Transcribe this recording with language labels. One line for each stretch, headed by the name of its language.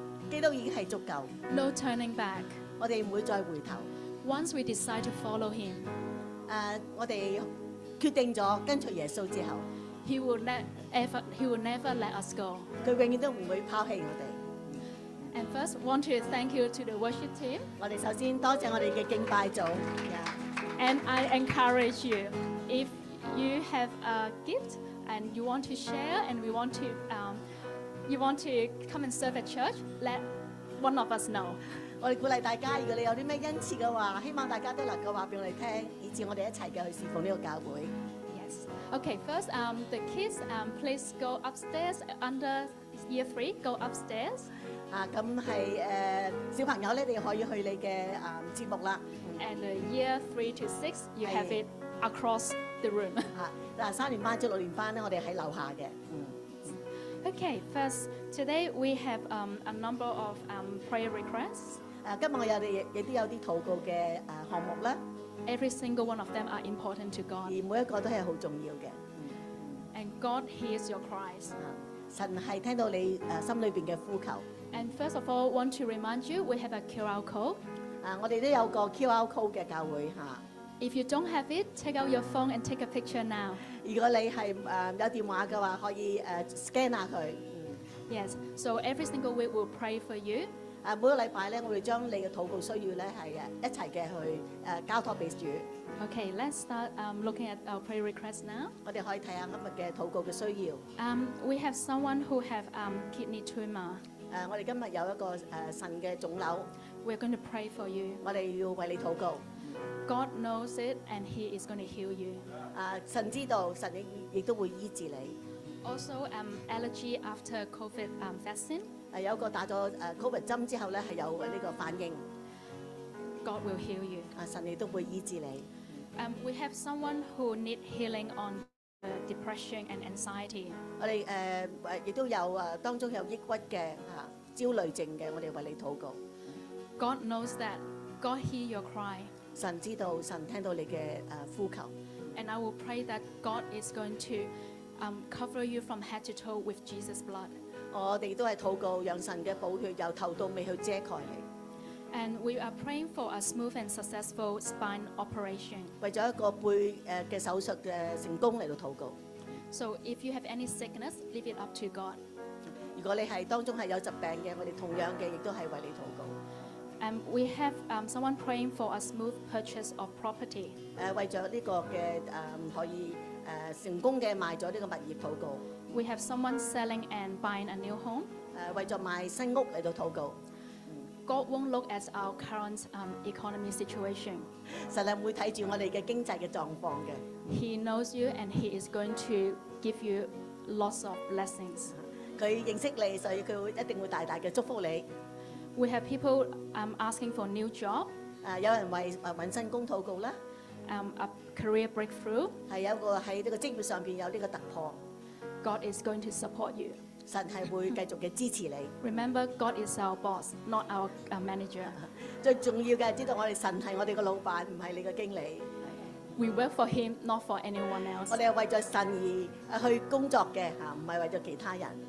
Cantonese: 基督已经系足够。
English: No turning back.
Cantonese: 我哋唔会再回头。
English: Once we decide to follow Him,
Cantonese: 我哋决定咗跟随耶稣之后
English: ，He will never let us go.
Cantonese: 佢永远都唔会抛弃我哋。
English: And first, I want to thank you to the worship team.
Cantonese: 我哋首先多谢我哋嘅敬拜组。
English: And I encourage you, if you have a gift and you want to share, and you want to come and serve at church, let one of us know.
Cantonese: 我哋鼓励大家，如果你有啲咩恩赐嘅话，希望大家都能够话俾我哋听，以致我哋一齐嘅去侍奉呢个教会。
English: Yes. Okay. First, the kids, please go upstairs under year three. Go upstairs.
Cantonese: 咁係小朋友咧，你可以去你嘅節目啦。
English: And year 3 to 6, you have it across the room.
Cantonese: 嗱，三年班至六年班咧，我哋喺樓下嘅。
English: Okay, first today we have a number of prayer requests.
Cantonese: 今日我有啲禱告嘅項目啦。
English: Every single one of them are important to God.
Cantonese: 而每一個都係好重要嘅。
English: And God hears your cries.
Cantonese: 神係聽到你心裏邊嘅呼求。
English: And first of all, want to remind you, we have a QR code.
Cantonese: 我哋都有个 QR code 嘅教会吓。
English: If you don't have it, take out your phone and take a picture now.
Cantonese: 如果你系有电话嘅话，可以scan 下佢。
English: Yes. So every single week we'll pray for you.
Cantonese: 每个礼拜咧，我会将你嘅祷告需要咧系一齐嘅去交托俾主。
English: Okay, let's start looking at our prayer request now.
Cantonese: 我哋可以睇下今日嘅祷告嘅需要。
English: We have someone who have kidney tumor.
Cantonese: 我哋今日有一个肾嘅肿瘤。
English: We're going to pray for you.
Cantonese: 我哋要为你祷告。
English: God knows it, and He is going to heal you.
Cantonese: 神知道，神亦都会医治你。
English: Also, allergy after COVID vaccine.
Cantonese: 有一个打咗COVID 针之后咧，系有呢个反应。
English: God will heal you.
Cantonese: 神亦都会医治你。
English: We have someone who need healing on. Depression and anxiety.
Cantonese: 我哋亦都有当中有抑郁嘅焦虑症嘅，我哋为你祷告。
English: God knows that. God hear your cry.
Cantonese: 神知道，神听到你嘅呼求。
English: And I will pray that God is going to cover you from head to toe with Jesus' blood.
Cantonese: 我哋都系祷告，让神嘅宝血由头到尾去遮盖你。
English: And we are praying for a smooth and successful spine operation.
Cantonese: 为咗一个背嘅手术嘅成功嚟到祷告。
English: So if you have any sickness, leave it up to God.
Cantonese: 如果你系当中系有疾病嘅，我哋同样嘅亦都系为你祷告。
English: We have someone praying for a smooth purchase of property.
Cantonese: 为咗呢个嘅可以成功嘅卖咗呢个物业祷告。
English: We have someone selling and buying a new home.
Cantonese: 为咗卖新屋嚟到祷告。
English: God won't look at our current economy situation.
Cantonese: 神系唔会睇住我哋嘅经济嘅状况嘅。
English: He knows you and He is going to give you lots of blessings.
Cantonese: 佢认识你，所以佢一定会大大嘅祝福你。
English: We have people asking for new job.
Cantonese: 有人为揾新工祷告啦。
English: A career breakthrough.
Cantonese: 系有个喺呢个职业上边有呢个突破。
English: God is going to support you.
Cantonese: 神係會繼續嘅支持你。
English: Remember, God is our boss, not our manager.
Cantonese: 最重要嘅知道我哋神係我哋嘅老闆，唔係你嘅經理。
English: We work for Him, not for anyone else.
Cantonese: 我哋係為咗神而去工作嘅嚇，唔係為咗其他人。